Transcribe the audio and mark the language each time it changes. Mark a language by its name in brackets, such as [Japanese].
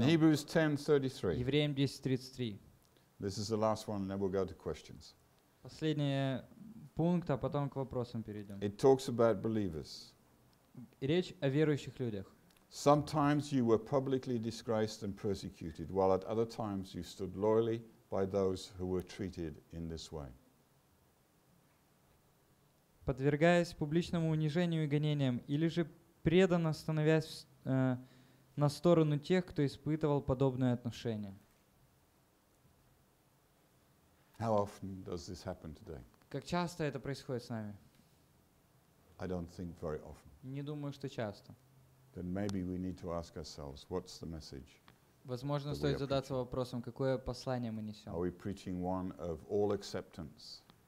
[English] In Hebrews 10:33. [Russian] Евреям 10:33. [English] This is the last one, and then we'll go to questions. [Russian] Последний пункт, а потом к вопросам перейдем. [English] It talks about believers. [Russian] Речь о верующих людях. [English] Sometimes you were publicly disgraced and persecuted, while at other times you stood loyally by those who were treated in this way. [Russian] Подвергаясь публичному унижению и гонениям, или же преданно становясь на сторону тех, кто испытывал подобное отношение. [English] How often does this happen today? [Russian] Как часто это происходит с нами? [English] I don't think very often. [Russian] Не думаю, что часто. [English] Then maybe we need to ask ourselves, what's the message? [Russian] Возможно, стоит задаться вопросом, какое послание мы несем. [English] Are we preaching one of all acceptance?